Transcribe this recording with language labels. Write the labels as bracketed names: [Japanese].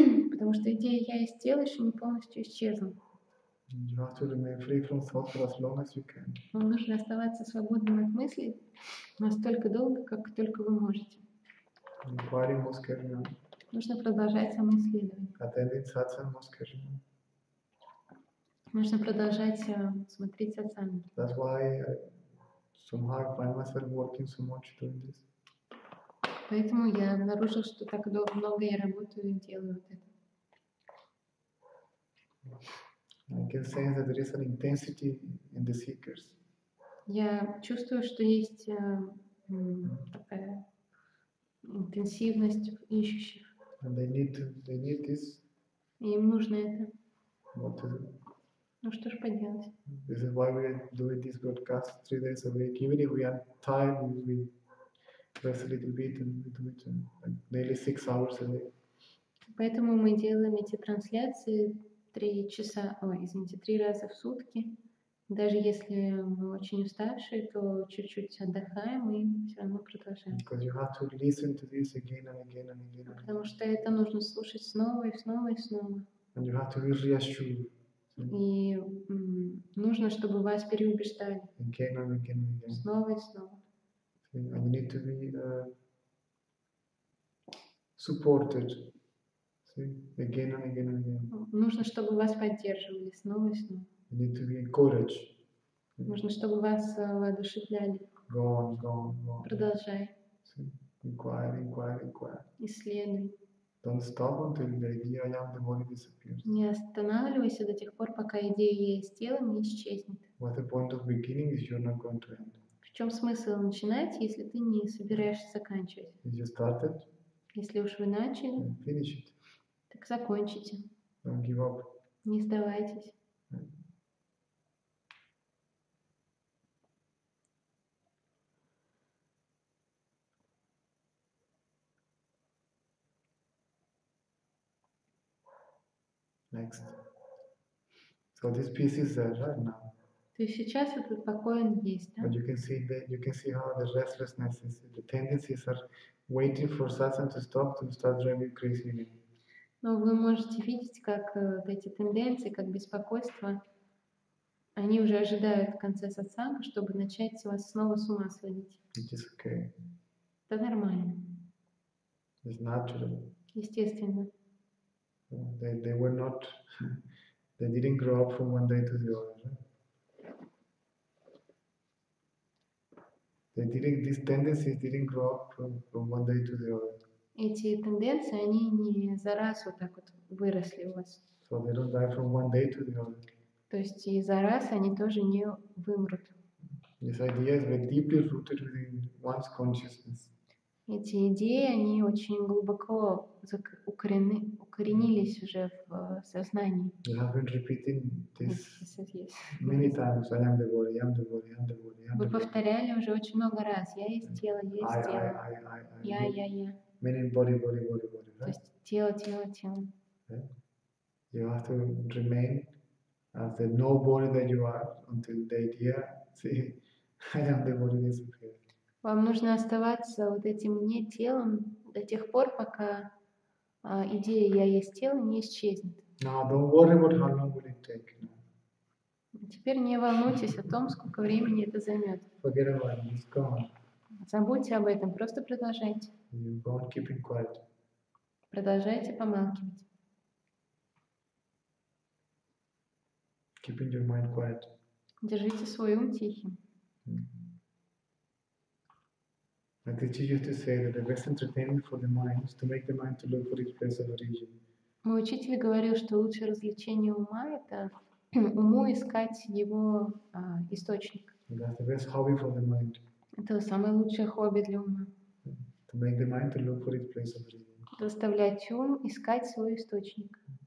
[Russian] Потому что идея я из тела еще не полностью исчезла. [English] You have to remain free from thought for as long as you can. [Russian] Вам нужно оставаться свободным от мыслей настолько долго, как только вы можете. [English] Inquiring must carry on. [Russian] Нужно продолжать самоисследование. [English] Attending satsang must carry on. [Russian] Нужно продолжать смотреть сатсанги. [English] That's why somehow I find myself working so much doing this. [Russian] Поэтому я обнаружил, что так много я работаю и делаю вот это. [English] I can sense that there is an intensity in the seekers. [Russian] Я чувствую, что есть такая интенсивность в ищущих. [English] And they need this. [Russian] И им нужно это. [English] What is it? [Russian] Ну что ж поделать. [English] This is why we are doing this broadcast 3 days a week. Even if we have time, we rest a little bit and we do it nearly 6 hours a day. [Russian] Поэтому мы делаем эти трансляции 3 часа, три раза в сутки. Даже если мы очень уставшие, то чуть-чуть отдыхаем и все равно продолжаем. [English] Because you have to listen to this again and again and again. [Russian] Потому что это нужно слушать снова и снова и снова. [English] And you have to reassure. [Russian] И нужно, чтобы вас переубеждали. [English] Again and again and again. [Russian] Снова и снова. [English] And you need to be supported. See? Again and again and again. [Russian] Нужно, чтобы вас поддерживали снова и снова. [English] You need to be encouraged. [Russian] Нужно, чтобы вас воодушевляли. [English] Go on, go on, go on. [Russian] Продолжай. [English] Inquire, inquire, inquire. [Russian] Исследуй. [English] Don't stop until the idea I am the one disappears. [Russian] Не останавливайся до тех пор, пока идея я есть тело не исчезнет. [English] What the point of beginning is you're not going to end. [Russian] В чем смысл начинать, если ты не собираешься заканчивать? [English] If you started. [Russian] Если уж вы начали. [English] Finish it. [Russian] Так закончите. [English] Don't give up. [Russian] Не сдавайтесь. [English] Next. So this piece is there right now. [Russian] То есть сейчас этот покой он есть, да? [English] But you can see how the restlessness is, the tendencies are waiting for something to stop to start driving crazy again. [Russian] Но вы можете видеть, как эти тенденции, как беспокойство, они уже ожидают конца сатсанга, чтобы начать вас снова с ума сводить. [English] It is okay. [Russian] Это нормально. [English] It's natural. [Russian] Естественно. [English] They were not, they didn't grow up from one day to the other. They didn't, these tendencies didn't grow up from one day to the other. [Russian] Эти тенденции, они не за раз вот так вот выросли у вас. [English] So they don't die from one day to the other. [Russian] То есть и за раз они тоже не вымрут. [English] This idea is very deeply rooted within one's consciousness. [Russian] Эти идеи, они очень глубоко укоренились уже в сознании. [English] You have been repeating this many times. I am the body, I am the body, I am the body. [Russian] Вы повторяли уже очень много раз. Я есть тело, я есть тело. Я. [English] Meaning body, right? [Russian] То есть тело. [English] Yeah. You have to remain as the no body that you are until the idea, see, I am the body disappears. [Russian] Вам нужно оставаться вот этим «не телом» до тех пор, пока идея «я есть тело» не исчезнет. [English] Now, don't worry about how long will it take, you know? [Russian] Теперь не волнуйтесь о том, сколько времени это займет. [English] Forget about it, just go on. [Russian] Забудьте об этом, просто продолжайте. [English] You go on keeping quiet. [Russian] Продолжайте помалкивать. [English] Keeping your mind quiet. [Russian] Держите свой ум тихим. Mm-hmm. [English] Like the teacher used to say that the best entertainment for the mind is to make the mind to look for its place of origin. [Russian] Мой учитель говорил, что лучшее развлечение ума — это уму искать его источник. [English] That's the best hobby for the mind. [Russian] Это самое лучшее хобби для ума. [English] To make the mind to look for its place of origin. [Russian] Заставлять ум искать свой источник.